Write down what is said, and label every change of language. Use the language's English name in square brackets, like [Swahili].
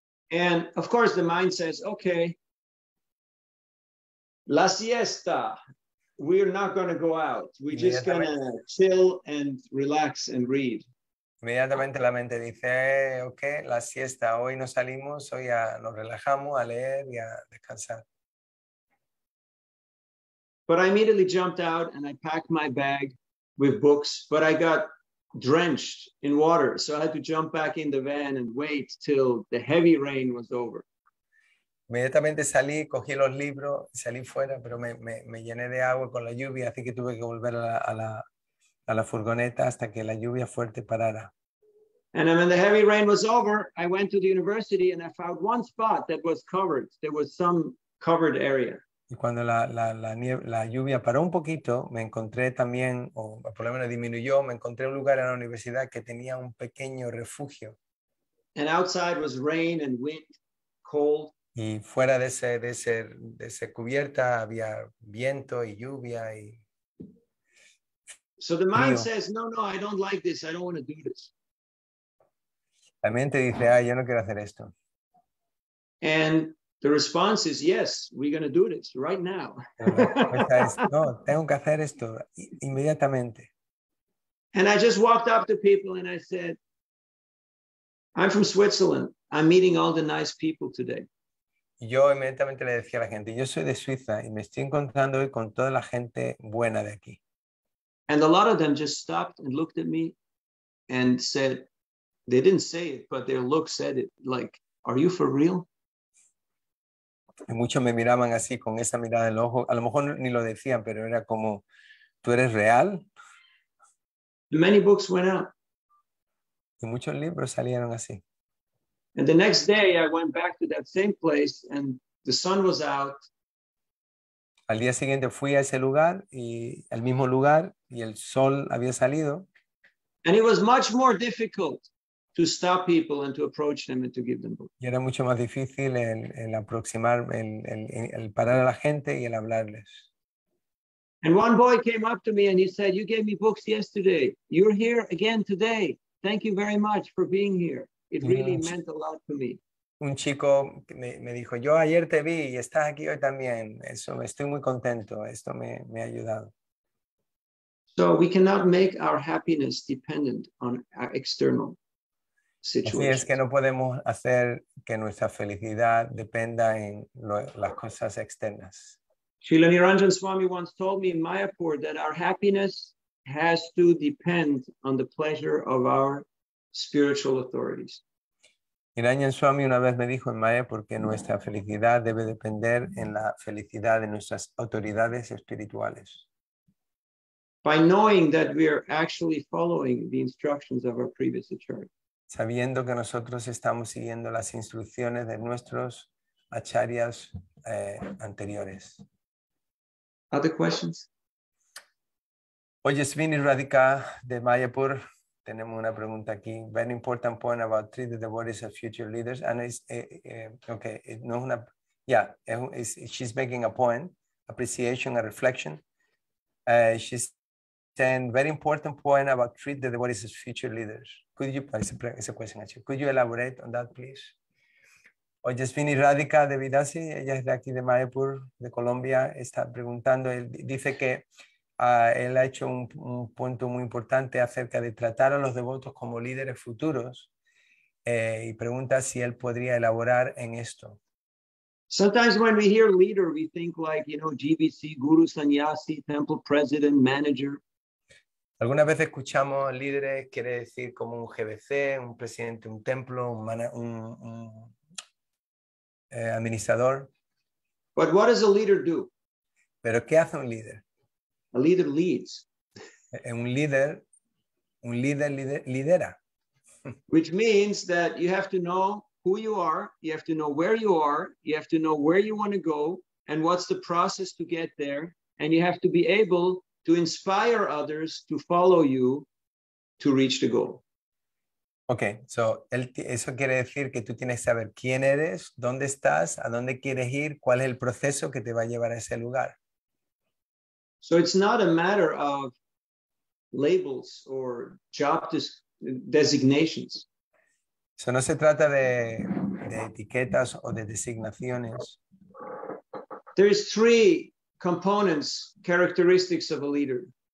[English] And of course the mind says, okay, [Spanish] la siesta, [English] we're not going to go out. We're just going to chill and relax and read. [Spanish] Inmediatamente la mente dice, okay, la siesta, hoy no salimos, hoy ya nos relajamos a leer y a descansar. [English] But I immediately jumped out and I packed my bag with books, but I got drenched in water, so I had to jump back in the van and wait till the heavy rain was over. [Spanish] Inmediatamente salí, cogí los libros, salí fuera, pero me llené de agua con la lluvia, así que tuve que volver a la furgoneta hasta que la lluvia fuerte parara. [English] And when the heavy rain was over, I went to the university and I found one spot that was covered. There was some covered area. [Spanish] Y cuando la lluvia paró un poquito, me encontré también, o por lo menos disminuyó, me encontré un lugar en la universidad que tenía un pequeño refugio. [English] And outside was rain and wind, cold. [Spanish] Y fuera de ese cubierta había viento y lluvia y [English] So the mind [Spanish] frío. [English] Says, no, I don't like this, I don't want to do this. [Spanish] La mente dice, ah, yo no quiero hacer esto. [English] And the response is, yes, we're going to do this right now. [Spanish] No, tengo que hacer esto inmediatamente. [English] And I just walked up to people and I said, I'm from Switzerland. I'm meeting all the nice people today. [Spanish] Yo inmediatamente le decía a la gente, yo soy de Suiza y me estoy encontrando hoy con toda la gente buena de aquí. [English] And a lot of them just stopped and looked at me and said, they didn't say it, but their look said it, like, are you for real? [Spanish] Y muchos me miraban así con esa mirada en el ojo. A lo mejor ni lo decían, pero era como, ¿tú eres real? [English] Many books went out. [Spanish] Y muchos libros salieron así. [English] And the next day I went back to that same place and the sun was out. [Spanish] Al día siguiente fui a ese lugar y al mismo lugar y el sol había salido. [English] And it was much more difficult to stop people and to approach them and to give them books. [Spanish] Y era mucho más difícil el aproximar, el parar a la gente y el hablarles. [English] And one boy came up to me and he said, you gave me books yesterday. You're here again today. Thank you very much for being here. It really meant a lot to me. [Spanish] Un chico me dijo, yo ayer te vi y estás aquí hoy también. Eso, estoy muy contento. Esto me ha ayudado. [English] So we cannot make our happiness dependent on our external situations. [Spanish] Así es que no podemos hacer que nuestra felicidad dependa en las cosas externas. [English] Srila Niranjan Swami once told me in Mayapur that our happiness has to depend on the pleasure of our spiritual authorities. [Spanish] Niranjan Swami una vez me dijo en Mayapur que nuestra felicidad debe depender en la felicidad de nuestras autoridades espirituales. [English] By knowing that we are actually following the instructions of our previous acharya. [Spanish] Sabiendo que nosotros estamos siguiendo las instrucciones de nuestros acharyas anteriores. [English] Other questions? [Spanish] Oye, Svini Radhika de Mayapur, tenemos una pregunta aquí. [English] Very important point about treat the devotees of future leaders. And it's okay, it, [Spanish] no una, [English] yeah, it's, she's making a point, appreciation, a reflection. She's saying, very important point about treat the devotees of future leaders. Could you, it's a question actually, could you elaborate on that, please? [Spanish] Oye, Svini Radhika de Vidasi, ella es de aquí de Mayapur, de Colombia, está preguntando, dice que él ha hecho un punto muy importante acerca de tratar a los devotos como líderes futuros y pregunta si él podría elaborar en esto. [English] Sometimes when we hear leader, we think like, you know, GBC, Guru Sanyasi, Temple President, Manager. [Spanish] Algunas veces escuchamos líderes, quiere decir como un GBC, un presidente, un templo, un administrador. [English] But what does a leader do? [Spanish] ¿Pero qué hace un líder? [English] A leader leads. [Spanish] Un líder lidera. [English] Which means that you have to know who you are, you have to know where you are, you have to know where you want to go, and what's the process to get there, and you have to be able to inspire others to follow you to reach the goal. [Spanish] Okay, so eso quiere decir que tú tienes que saber quién eres, dónde estás, a dónde quieres ir, cuál es el proceso que te va a llevar a ese lugar. [English] So it's not a matter of labels or job designations. [Spanish] So no se trata de etiquetas o de designaciones. [English] There is three components, characteristics of a leader.